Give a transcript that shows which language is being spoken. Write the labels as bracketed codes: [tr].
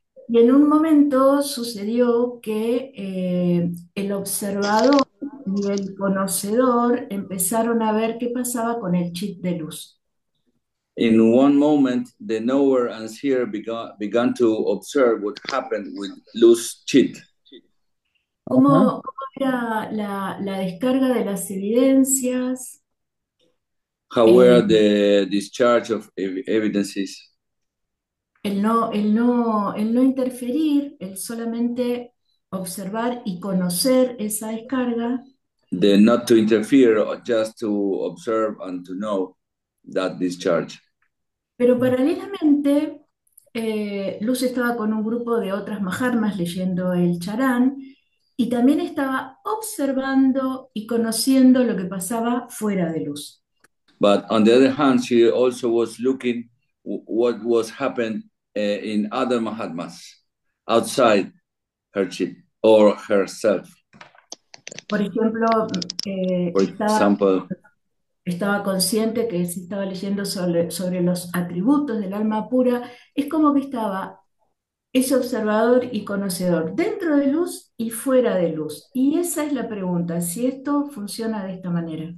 [es] Y en un momento sucedió que el observador y el conocedor empezaron a ver qué pasaba con el chip de luz. [en] In one moment, the knower and seer began to observe what happened with loose chit. [es] ¿Cómo era la descarga de las evidencias? [en] How were the discharge of evidences? [es] El no interferir, el solamente observar y conocer esa descarga. [en] The not to interfere, just to observe and to know that discharge. [es] Pero paralelamente, Luz estaba con un grupo de otras majarmas leyendo el charán y también estaba observando y conociendo lo que pasaba fuera de Luz. [en] But on the other hand, she also was looking what was happening in other mahatmas outside her chit or herself. [es] Por ejemplo, estaba consciente que si estaba leyendo sobre los atributos del alma pura, es como que estaba ese observador y conocedor dentro de luz y fuera de luz. Y esa es la pregunta, si esto funciona de esta manera.